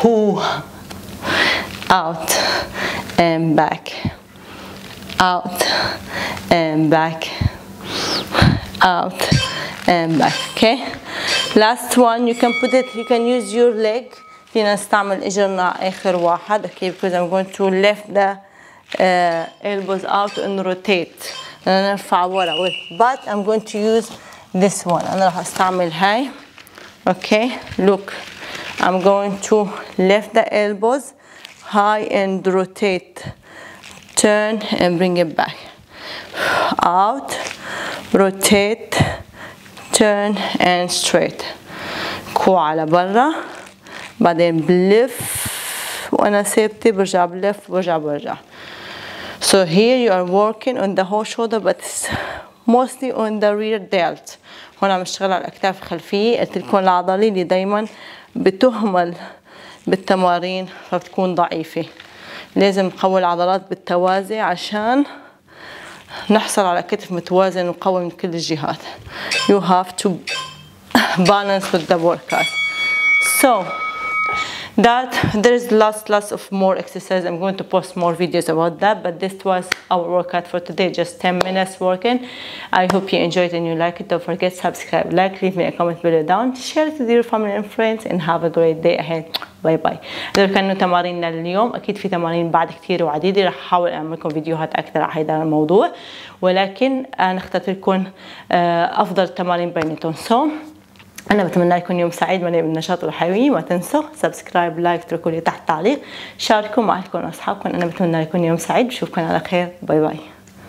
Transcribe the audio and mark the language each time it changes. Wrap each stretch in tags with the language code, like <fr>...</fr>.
<en>Out and back. Out and back. Out and back. Okay. Last one. You can put it. You can use your leg.</en> <ar>فينا نستعمل إجرنا آخر واحد.</ar> <en>Okay. Because I'm going to lift the elbows out and rotate.</en> <ar>أنا نرفع ورا.</ar> <en>But I'm going to use this one.</en> <ar>أنا راح أستعمل هاي.</ar> <en>Okay. Look. I'm going to lift the elbows high and rotate. Turn and bring it back. Out. Rotate. Turn and straight.</en> <ar>كوع على برا. بعدين بلف وأنا ثابتة برجع بلف برجع برجع.</ar> <en>So here you are working on the whole shoulder, but it's mostly on the rear delt.</en> <ar>هون عم اشتغل على الأكتاف الخلفية. قلت لكم العضلة اللي دايما بتهمل بالتمارين فبتكون ضعيفة. لازم نقوي العضلات بالتوازي عشان نحصل على كتف متوازن وقوي من كل الجهات.</ar> <en>You have to balance with the workout. So that there's lots of more exercises. I'm going to post more videos about that, but this was our workout for today, just 10 minutes working. I hope you enjoyed and you like it. Don't forget to subscribe, like, leave me a comment below down, share it with your family and friends, and have a great day ahead.</en> <ar>باي باي. هذول كانوا تماريننا لليوم. اكيد في تمارين بعد كثير وعديده، رح احاول اعمل لكم فيديوهات اكثر على هذا الموضوع، ولكن انا اخترت لكم افضل تمارين بينتون. سو أنا بتمنى لكم يوم سعيد مليء بالنشاط والحيوية. ما تنسوا سبسكرايب، لايك، اتركوا لي تحت تعليق، شاركوا مع كل أصحابكم. أنا بتمنى لكم يوم سعيد، بشوفكم على خير. باي باي.</ar>